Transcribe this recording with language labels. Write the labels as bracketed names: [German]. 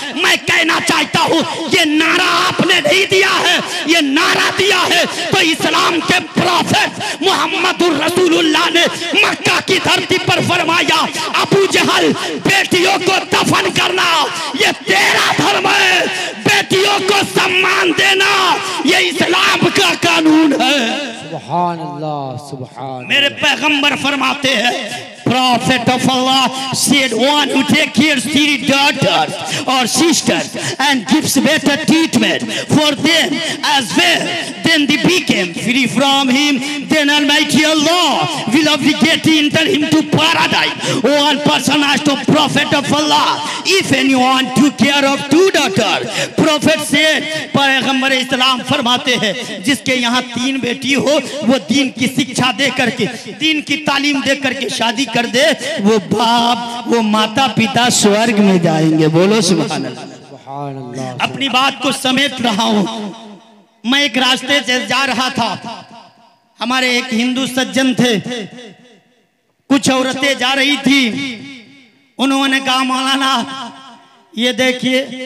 [Urdu] میں کہنا چاہتا ہوں یہ نعرہ آپ نے نہیں دیا ہے یہ نعرہ دیا ہے تو اسلام کے پروفیٹ محمد الرسول اللہ نے مکہ کی دھرتی پر فرمایا ابو جہل بیٹیوں کو دفن کرنا یہ تیرا دھرم ہے بیٹیوں کو سمان دینا یہ اسلام کا قانون ہے. سبحان اللہ سبحان میرے پیغمبر فرماتے ہیں [English] Prophet of Allah said one who take care of three daughters or sisters and gives better treatment for them as well then they became free from him then Almighty Allah will obligate enter him to paradise. One person asked the Prophet of Allah if anyone took care of two daughters. Prophet said [Urdu] پیغمبر اسلام فرماتے ہیں جس کے یہاں تین بیٹی ہو وہ دین کی سکھا دے کر کے دین کی تعلیم دے کر کے شادی کر دے وہ باپ وہ ماتا پتا سورگ میں جائیں گے. بولو سبحان اللہ. اپنی بات کو سمیٹ رہا ہوں میں ایک راستے سے جا رہا تھا ہمارے ایک ہندو سجن تھے کچھ عورتیں جا رہی تھی انہوں نے کہا مولانا یہ دیکھیے